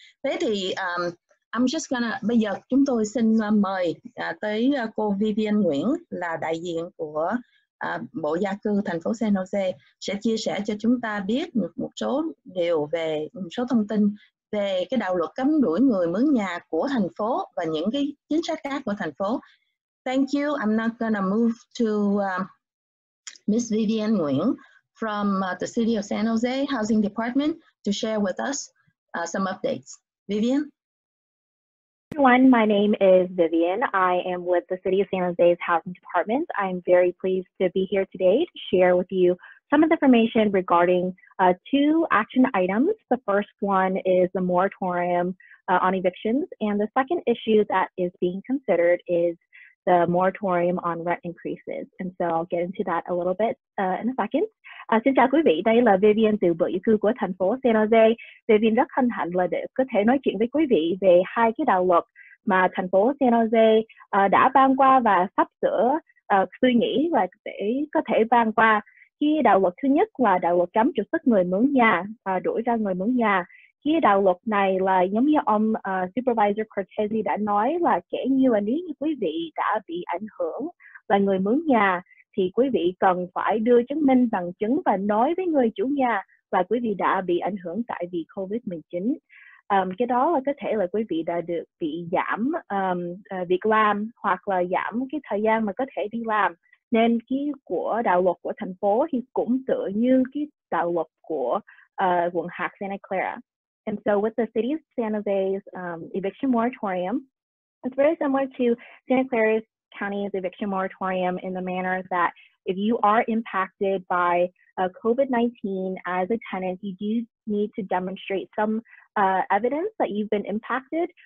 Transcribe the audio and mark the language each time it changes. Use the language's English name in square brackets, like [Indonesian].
[Vietnamese] Thế thì bây giờ chúng tôi xin mời tới cô Vivian Nguyễn là đại diện của Bộ Gia cư thành phố San Jose sẽ chia sẻ cho chúng ta biết một số điều về một số thông tin về cái đạo luật cấm đuổi người mướn nhà của thành phố và những cái chính sách khác của thành phố. [English] Thank you. I'm not gonna move to Ms. Vivian Nguyễn from the City of San Jose Housing Department to share with us some updates. Vivian? Hi everyone, my name is Vivian. I am with the City of San Jose's Housing Department. I'm very pleased to be here today to share with you some of the information regarding two action items. The first one is the moratorium on evictions, and the second issue that is being considered is the moratorium on rent increases. And so I'll get into that a little bit in a second. [Vietnamese] Xin chào quý vị, đây là Vivian từ Bộ Di cư của thành phố San Jose. Vivian rất hân hạnh là được có thể nói chuyện với quý vị về hai cái đạo luật mà thành phố San Jose đã ban qua và sắp sửa suy nghĩ và để có thể ban qua. Cái đạo luật thứ nhất là đạo luật cấm trục xuất người mướn nhà, đuổi ra người mướn nhà. Cái đạo luật này là giống như ông Supervisor Cortez đã nói, là kể như là nếu như quý vị đã bị ảnh hưởng là người mướn nhà thì quý vị cần phải đưa chứng minh bằng chứng và nói với người chủ nhà là quý vị đã bị ảnh hưởng tại vì COVID-19. Cái đó là có thể là quý vị đã được bị giảm việc làm hoặc là giảm cái thời gian mà có thể đi làm. Nên cái của đạo luật của thành phố thì cũng tựa như cái đạo luật của quận hạt Santa Clara. [English] And so with the City of San Jose's eviction moratorium, it's very similar to Santa Clara's County's eviction moratorium in the manner that if you are impacted by COVID-19 as a tenant, you do need to demonstrate some evidence that you've been impacted.